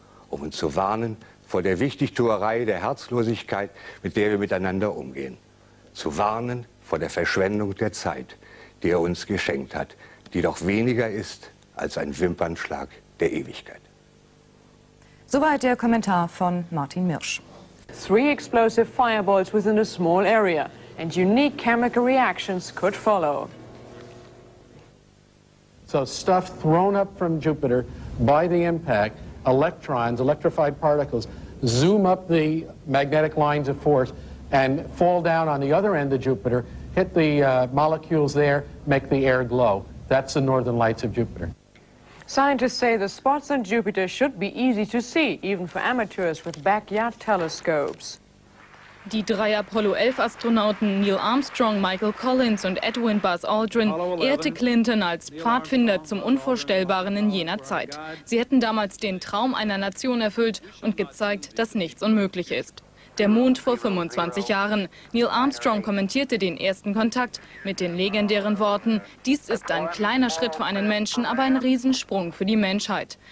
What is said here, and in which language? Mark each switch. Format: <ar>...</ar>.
<de>Um uns zu warnen vor der Wichtigtuerei der Herzlosigkeit, mit der wir miteinander umgehen. Zu warnen vor der Verschwendung der Zeit, die er uns geschenkt hat, die doch weniger ist als ein Wimpernschlag der Ewigkeit. Soweit der Kommentar von Martin Mirsch.</de> <en>3 explosive fireballs within a small area and unique chemical reactions could follow. So stuff thrown up from Jupiter by the impact, electrons, electrified particles, zoom up the magnetic lines of force and fall down on the other end of Jupiter, hit the molecules there, make the air glow. That's the northern lights of Jupiter. Scientists say the spots on Jupiter should be easy to see, even for amateurs with backyard telescopes.</en> <de>Die 3 Apollo 11 Astronauten Neil Armstrong, Michael Collins und Edwin Buzz Aldrin ehrte Clinton als Pfadfinder zum Unvorstellbaren in jener Zeit. Sie hätten damals den Traum einer Nation erfüllt und gezeigt, dass nichts unmöglich ist. Der Mond vor 25 Jahren. Neil Armstrong kommentierte den ersten Kontakt mit den legendären Worten: Dies ist ein kleiner Schritt für einen Menschen, aber ein Riesensprung für die Menschheit.</de>